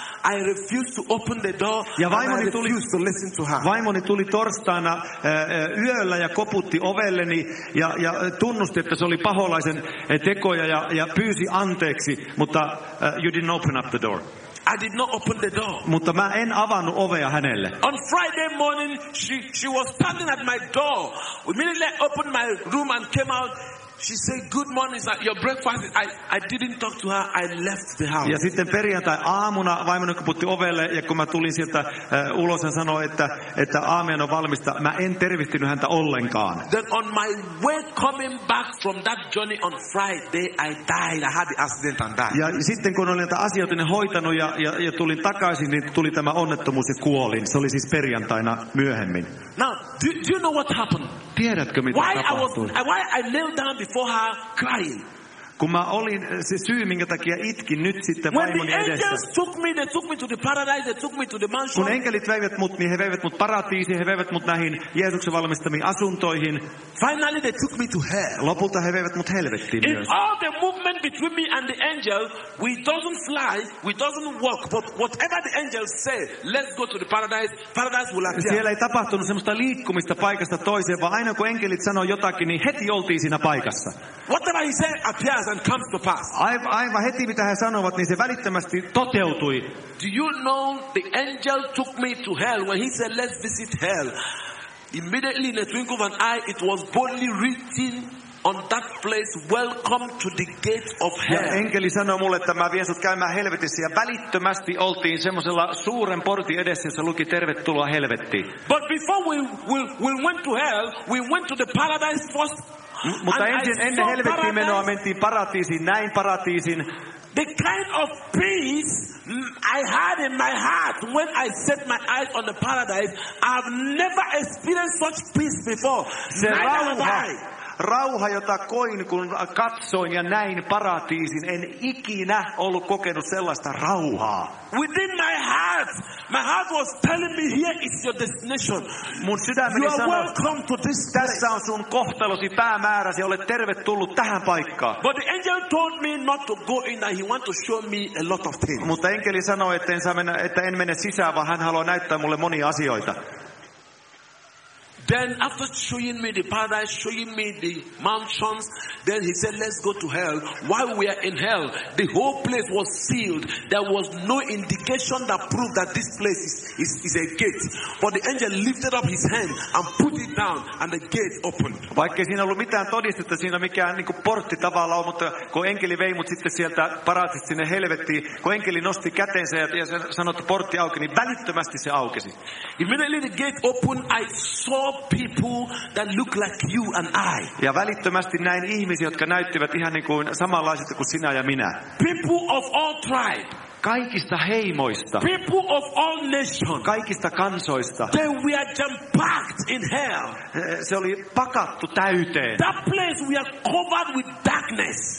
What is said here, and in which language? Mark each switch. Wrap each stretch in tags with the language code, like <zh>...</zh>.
<en>I refused to open the door.</en> <fi>Ja</fi> <en>and I refused to listen to her.</en> <fi>Vaimoni tuli torstaina yöllä ja koputti ovelleni ja tunnusti, että se oli paholaisen tekoja ja pyysi anteeksi, mutta</fi> <en>you didn't open up the door. I did not open the door.</en> <fi>Mutta mä en avannut ovea hänelle.</fi> <en>On Friday morning, she was standing at my door. Immediately I opened my room and came out. She said, good morning, sir. Your breakfast. I didn't talk to her. I left the house.</en> <fi>Ja sitten perjantai aamuna vaimoni koputti ovelle, ja kun mä tulin sieltä ulos, hän sanoi, että aamiaan on valmista. Mä en tervehtinyt häntä ollenkaan.</fi> <en>Then on my way coming back from that journey on Friday, I died. I had the accident and died.</en> <fi>Ja sitten kun olin tätä asioita hoitanut ja tulin takaisin, niin tuli tämä onnettomuus ja kuolin. Se oli siis perjantaina myöhemmin.</fi> <en>Now, do you know what happened?</en> <fi>Tiedätkö, mitä</fi> <en>why</en> <fi>tapahtui?</fi> <en>Why I knelt down before her crying?</en> <fi>Kun mä olin se syy, minkä takia itkin nyt sitten vaimoni edessä.</fi> <en>Took me, they took me to the paradise, they took me to the mansion.</en> <fi>Kun enkelit veivät mut, niin he veivät mut paratiisiin, he veivät mut näihin Jeesuksen valmistamiin asuntoihin.</fi> <en>Finally they took me to hell.</en> <fi>Lopulta he veivät mut helvettiin</fi> <en>in</en> <fi>myös.</fi> <en>All the movement between me and the angel, we doesn't fly, we doesn't walk, but whatever the angel say, let's go to the paradise, paradise will appear.</en> <fi>Siellä ei tapahtunut semmoista liikkumista paikasta toiseen, vaan aina kun enkelit sanoi jotakin, niin heti oltiin siinä paikassa.</fi> <en>Whatever he said appear. And comes to pass.</en> <fi>Aivan heti mitä he sanovat, niin se välittömästi toteutui.</fi> <en>Do you know the angel took me to hell when he said let's visit hell? Immediately in a twinkle of an eye it was boldly written on that place, welcome to the gate of hell.</en> <fi>Ja enkeli sanoi mulle, että mä vien sut käymään helvetissä. Ja välittömästi oltiin semmoisella suuren portin edessä, jossa luki tervetuloa helvettiin.</fi> <en>But before we went to hell, we went to the paradise first.</en> <fi>Mutta ennen helvettiin menoa mentiin paratiisiin, näin paratiisin.</fi> <en>The kind of peace I had in my heart when I set my eyes on the paradise, I've never experienced such peace before.</en> <fi>Se rauha, jota koin, kun katsoin ja näin paratiisin, en ikinä ollut kokenut sellaista rauhaa.</fi> <en>Within my heart was telling me, here is your destination.</en> <fi>Mun sydämeni sanoi,</fi> <en>welcome to this place.</en> <fi>Tässä on sun kohtalosi, päämääräsi, olet tervetullut tähän paikkaan.</fi> <en>But the angel told me not to go in, and he wanted to show me a lot of things.</en> <fi>Mutta enkeli sanoi, että en mene sisään, vaan hän haluaa näyttää mulle monia asioita.</fi> <en>Then after showing me the paradise, showing me the mansions, then he said, let's go to hell. While we are in hell, the whole place was sealed. There was no indication that proved that this place is a gate. But the angel lifted up his hand and put it down, and the gate opened.</en> <fi>Vaikka siinä ollut mitään todistetta, siinä mikään niin kuin portti tavallaan, mutta kun enkeli vei mut sitten sieltä paratiisista sinne helvettiin, kun enkeli nosti käteensä ja sanoi, että portti auki, niin välittömästi se aukesi.</fi> <en>Immediately the gate opened, I saw people that look like you and I.</en> <fi>Ja välittömästi näin ihmisiä, jotka näyttivät ihan niin kuin samanlaisilta kuin sinä ja minä.</fi> <en>People of all tribe.</en> <fi>Kaikista heimoista.</fi> <en>People of all nations.</en> <fi>Kaikista kansoista.</fi> <en>They were jam-packed in hell.</en> <fi>Se oli pakattu täyteen.</fi> <en>That place we are covered with darkness.</en>